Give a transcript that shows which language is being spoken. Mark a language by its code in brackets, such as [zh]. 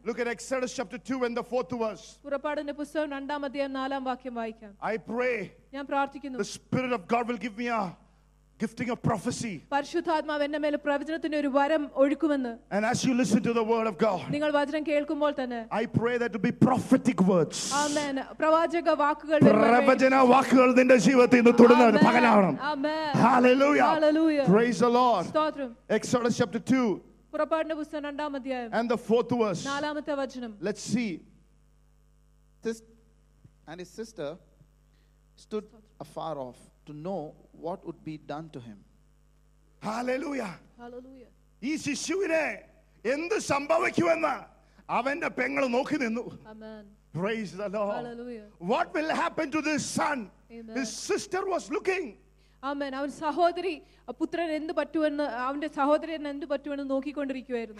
[en] Look at Exodus chapter 2 and the 4th verse. [ml] പുറപ്പാടിന്റെ പുസ്തകം രണ്ടാം അധ്യായം നാലാം വാക്യം വായിക്കാം. [en] I pray. [ml] ഞാൻ പ്രാർത്ഥിക്കുന്നു. [en] The spirit of God will give me a gifting of prophecy. [ml] പരിശുദ്ധാത്മാവ് എന്നെ മേൽ പ്രവചനത്തിന് ഒരു വരം ഒഴുക്കുമെന്ന്. [en] And as you listen to the word of God. [ml] നിങ്ങൾ വചനം കേൾക്കുമ്പോൾ തന്നെ. [en] I pray that it will be prophetic words. [ml] Amen. പ്രവാചക വാക്കുകൾ. പ്രവചന വാക്കുകൾ നിന്റെ ജീവിതത്തിൽ നിന്ന് തുടരണം. പകലാണ്. [en] Amen. Hallelujah. Hallelujah. Praise the Lord. [ml] സ്തോത്രം. [en] Exodus chapter 2. [ml] പുറപ്പാടിന്റെ പുസ്തകം രണ്ടാം അധ്യായം [en] and the 4th verse [ml] നാലാമത്തെ വചനം. [en] Let's see. This and his sister stood afar off to know what would be done to him. Hallelujah. Hallelujah. [ml] ഈ ശിശുവിനെ എന്ത് സംഭവിക്കുമെന്ന് അവന്റെ പെങ്ങൾ നോക്കി നിന്നു. [en] Amen. Praise the Lord. Hallelujah. What will happen to this son? Amen. His sister was looking. Amen. [ml] അവൻ സഹോദരി പുത്രൻ എന്ത് പറ്റുമെന്ന് അവന്റെ സഹോദരൻ എന്ത് പറ്റുമെന്ന് നോക്കിക്കൊണ്ടിരിക്കുകയായിരുന്നു.